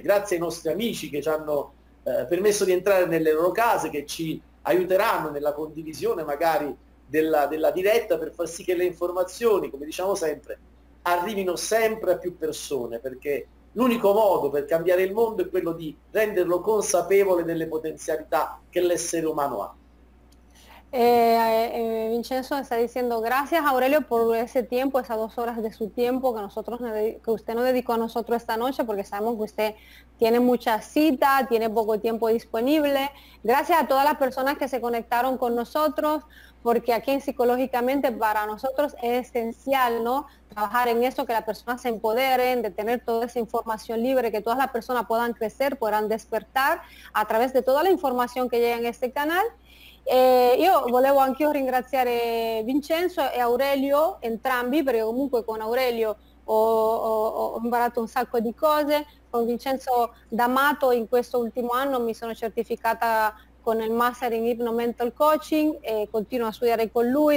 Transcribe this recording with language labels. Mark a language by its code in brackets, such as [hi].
[it] Grazie ai nostri amici che ci hanno permesso di entrare nelle loro case, che ci aiuteranno nella condivisione magari della diretta, per far sì che le informazioni, come diciamo sempre, arrivino sempre a più persone, perché l'unico modo per cambiare il mondo è quello di renderlo consapevole delle potenzialità che l'essere umano ha. [es] Vincenzo está diciendo gracias Aurelio por ese tiempo, esas 2 horas de su tiempo que usted nos dedicó a nosotros esta noche, porque sabemos que usted tiene mucha cita, tiene poco tiempo disponible. Gracias a todas las personas que se conectaron con nosotros, porque aquí psicológicamente para nosotros es esencial, ¿no?, trabajar en eso, que las personas se empoderen, de tener toda esa información libre, que todas las personas puedan crecer, puedan despertar a través de toda la información que llega en este canal. [it] Io volevo anch'io ringraziare Vincenzo e Aurelio, entrambi, perché comunque con Aurelio ho imparato un sacco di cose. Con Vincenzo D'Amato in questo ultimo anno mi sono certificata con il Master in Hypno Mental Coaching e continuo a studiare con lui.